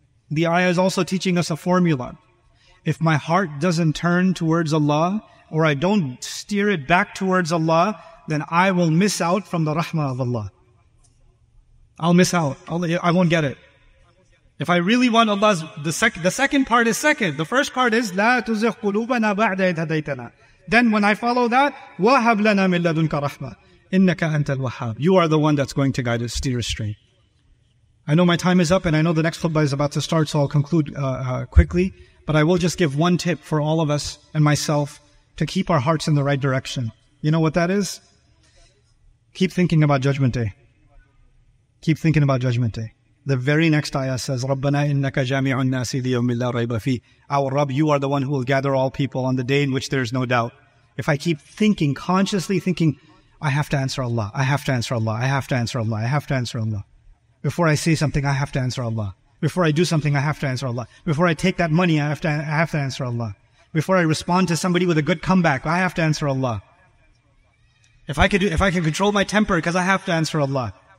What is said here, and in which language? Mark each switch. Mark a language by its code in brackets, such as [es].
[en] The ayah is also teaching us a formula. If my heart doesn't turn towards Allah, or I don't steer it back towards Allah, then I will miss out from the rahmah of Allah. I'll miss out. I won't get it. If I really want Allah's, the second part is second. The first part is, [ar] لَا تُزِغْ قُلُوبَنَا بَعْدَ إِذْ هَدَيْتَنَا. [en] Then when I follow that, [ar] وَهَبْ لَنَا مِنْ لَدُنْكَ رَحْمَةً إِنَّكَ أَنْتَ الْوَحَّابُ. [en] You are the one that's going to guide us, steer us straight. I know my time is up, and I know the next khutbah is about to start, so I'll conclude quickly. But I will just give one tip for all of us and myself to keep our hearts in the right direction. You know what that is? Keep thinking about Judgment Day. Keep thinking about Judgment Day. The very next ayah says, [ar] رَبَّنَا إِنَّكَ جَامِعُ النَّاسِ لِيَوْمِ لَا رَيْبَ فِي. [en] Our Rabb, you are the one who will gather all people on the day in which there is no doubt. If I keep thinking, consciously thinking, I have to answer Allah, I have to answer Allah, I have to answer Allah, I have to answer Allah. Before I say something, I have to answer Allah. Before I do something, I have to answer Allah. Before I take that money, I have to answer Allah. Before I respond to somebody with a good comeback, I have to answer Allah. If I can control my temper, because I have to answer Allah.